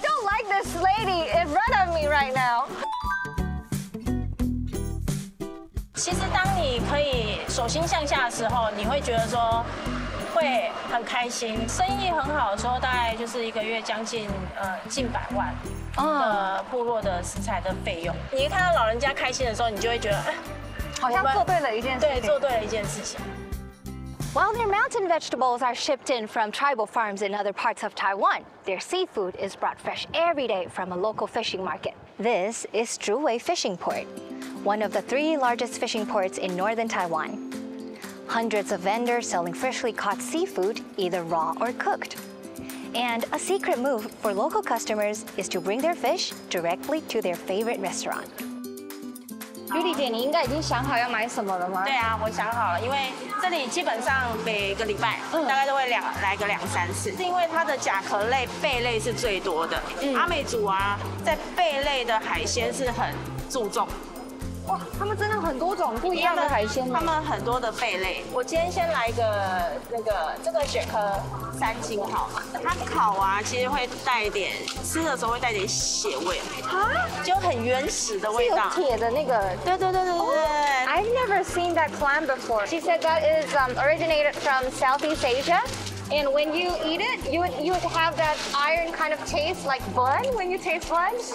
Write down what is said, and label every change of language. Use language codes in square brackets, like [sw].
[en] don't like this lady in front of me right now. [zh] 其实当你可以手心向下的时候，你会觉得说会很开心。生意很好的时候，大概就是一个月将近近百万的部落的食材的费用。你一看到老人家开心的时候，你就会觉得，哎，好像做对了一件事情。对，做对了一件事情。 [en] While their mountain vegetables are shipped in from tribal farms in other parts of Taiwan, their seafood is brought fresh every day from a local fishing market. This is Zhuwei Fishing Port, one of the three largest fishing ports in northern Taiwan. Hundreds of vendors selling freshly caught seafood, either raw or cooked. And a secret move for local customers is to bring their fish directly to their favorite restaurant. [zh] Judy 姐，你应该已经想好要买什么了吗？对啊，我想好了，因为这里基本上每个礼拜大概都会两来个两三次，是因为它的甲壳类贝类是最多的。阿美族啊，在贝类的海鲜是很注重。哇，他们真的很多种不一样的海鲜。他们很多的贝类，我今天先来一个那个这个雪壳三斤好了。它烤啊，其实会带一点，吃的时候会带点血味。啊，就很原始的味道。是有铁的那个。对对对对对。 [en] I've never seen that clam before. She said that is originated from Southeast Asia. And when you eat it, you would have that iron kind of taste, like bun, when you taste bun.